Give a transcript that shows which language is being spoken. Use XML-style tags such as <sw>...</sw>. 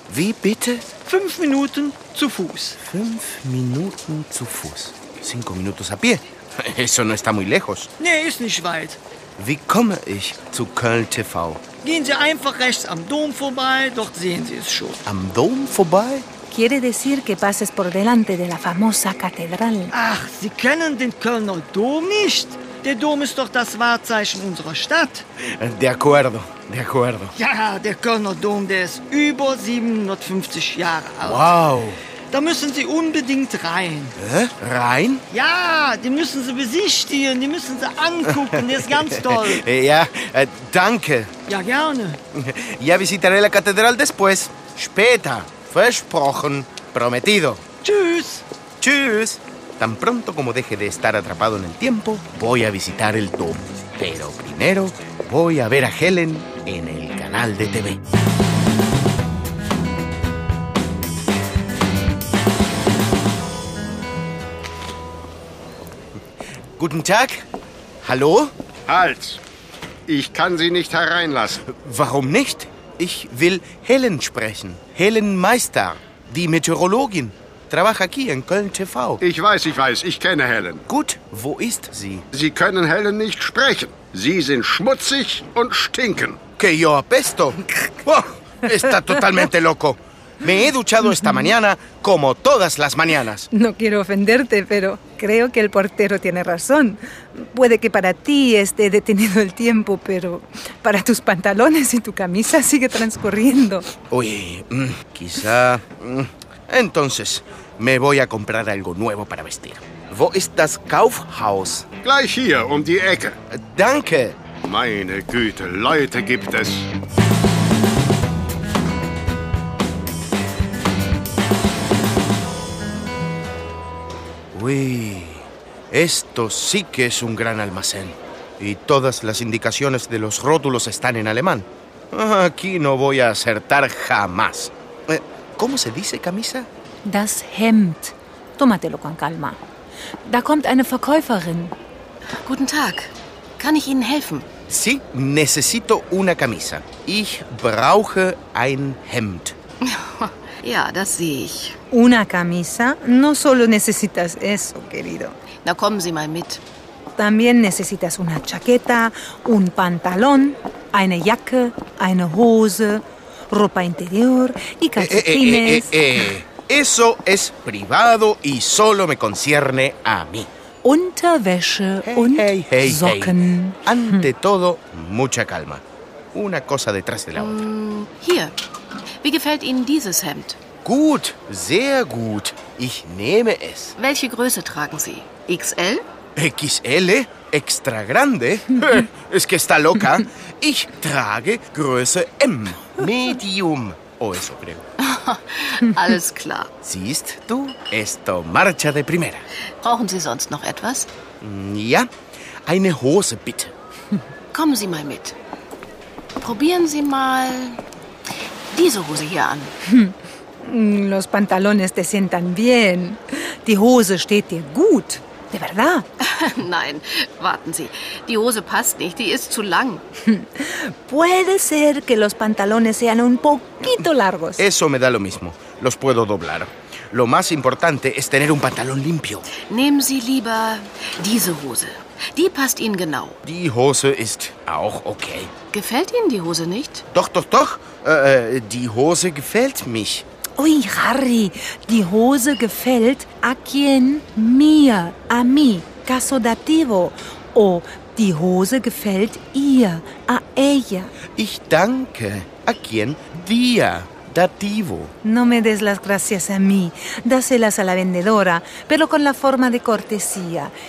<de>Wie bitte? 5 Minuten zu Fuß. 5 Minuten zu Fuß. 5 Minuten</de> <es>a pie. Eso no está muy lejos.</es> <de>Nee, ist nicht weit. Wie komme ich zu Köln TV? Gehen Sie einfach rechts am Dom vorbei, dort sehen Sie es schon. Am Dom vorbei?</de> <es>Quiere decir que pases por delante de la famosa catedral.</es> <de>Ach, Sie kennen den Kölner Dom nicht? Der Dom ist doch das Wahrzeichen unserer Stadt.</de> <es>De acuerdo, de acuerdo.</es> <de>Ja, der Kölner Dom, der ist über 750 Jahre alt. Wow. Da müssen Sie unbedingt rein. Hä? Rein? Ja, die müssen Sie besichtigen, die müssen Sie angucken, der ist ganz toll. Ja, danke. Ja, gerne.</de> <es>Ja, visitaré la catedral después.</es> <de>Später. Versprochen.</de> <es>Prometido.</es> <de>Tschüss. Tschüss.</de> <es>Tan pronto como deje de estar atrapado en el tiempo, voy a visitar el domo. Pero primero, voy a ver a Helen en el canal de TV.</es> <de>Guten Tag. Hallo? Halt. Ich kann Sie nicht hereinlassen. Warum nicht? Ich will Helen sprechen.</de> <es>Helen Meister,</es> <de>die Meteorologin.</de> <es>Trabaja aquí en Köln TV.</es> <de>Ich weiß, ich kenne Helen. Gut, wo ist sie? Sie können Helen nicht sprechen. Sie sind schmutzig und stinken.</de> <es>Que yo apesto. Oh, está totalmente loco. Me he duchado esta mañana como todas las mañanas. No quiero ofenderte, pero creo que el portero tiene razón. Puede que para ti esté detenido el tiempo, pero para tus pantalones y tu camisa sigue transcurriendo. Uy, quizá... Entonces, me voy a comprar algo nuevo para vestir.</es> <de>Wo ist das Kaufhaus? Gleich hier, die Ecke. Danke. Meine Güte, Leute gibt es.</de> <es>Uy, esto sí que es un gran almacén. Y todas las indicaciones de los rótulos están en alemán. Aquí no voy a acertar jamás. ¿Cómo se dice camisa?</es> <de>Das Hemd.</de> <es>Tómatelo con calma.</es> <de>Da kommt eine Verkäuferin. Guten Tag. Kann ich Ihnen helfen?</de> <es>Sí, necesito una camisa.</es> <de>Ich brauche ein Hemd. Ja, das sehe ich.</de> <es>Una camisa? No solo necesitas eso, querido.</es> <de>Na, kommen Sie mal mit.</de> <es>También necesitas una chaqueta, un pantalón,</es> <de>eine Jacke, eine Hose,</de> <es>ropa interior y calcetines. Eso es privado y solo me concierne a mí.</es> <de>Unterwäsche und Socken.</de> <es>Ante todo, mucha calma. Una cosa detrás de la otra.</es> <de>Hier. Wie gefällt Ihnen dieses Hemd? Gut, sehr gut. Ich nehme es. Welche Größe tragen Sie? XL?</de> <es>XL? Extra grande? Es que está loca.</es> <de>Ich trage Größe M. Medium.</de> <es>O eso creo.</es> <de>Alles klar. Siehst du, esto marcha de primera. Brauchen Sie sonst noch etwas? Ja, eine Hose bitte. Kommen Sie mal mit. Probieren Sie mal diese Hose hier an.</de> <es>Los pantalones te sientan bien.</es> <de>Die Hose steht dir gut.</de> <es>De verdad?</es> <de>Nein, warten Sie. Die Hose passt nicht, die ist zu lang.</de> <es>Puede ser que los pantalones sean un poquito largos. Eso me da lo mismo. Los puedo doblar. Lo más importante es tener un pantalón limpio.</es> <de>Nehmen Sie lieber diese Hose. Die passt Ihnen genau. Die Hose ist auch okay. Gefällt Ihnen die Hose nicht? Doch, doch, doch. Die Hose gefällt mich.</de> <es>Ui, Harry,</es> <de>die Hose gefällt</de> <es>a quien mir, a mi, caso dativo. O</es> <de>Die Hose gefällt ihr,</de> <es>a ella.</es> <de>Ich danke.</de> <es>¿A quién? Dia, dativo. No me des las gracias a mí. Dáselas a la vendedora, pero con la forma de cortesía.</es>